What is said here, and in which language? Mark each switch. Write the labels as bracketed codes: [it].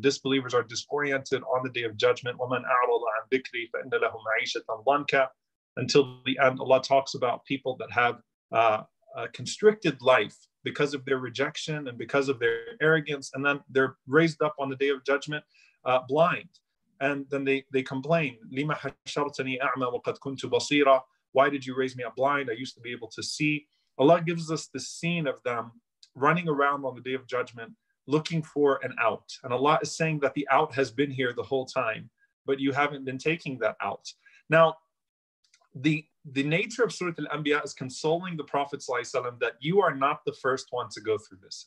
[en] The disbelievers are disoriented on the day of judgment. [ar] وَمَنْ أَعْرَضَ عَنْ ذِكْرِي فَإِنَّ لَهُ مَعِيشَةً ضَنكًا. [en] Until the end, Allah talks about people that have a constricted life because of their rejection and because of their arrogance. And then they're raised up on the day of judgment blind. And then they complain, [ar] لِمَا حَشَرْتَنِي أَعْمَى وَقَدْ كُنْتُ بَصِيرًا. [en] Why did you raise me up blind? I used to be able to see. Allah gives us the scene of them running around on the day of judgment, looking for an out. And Allah is saying that the out has been here the whole time, but you haven't been taking that out. Now, the nature of Surah Al-Anbiya is consoling the Prophet ﷺ that you are not the first one to go through this.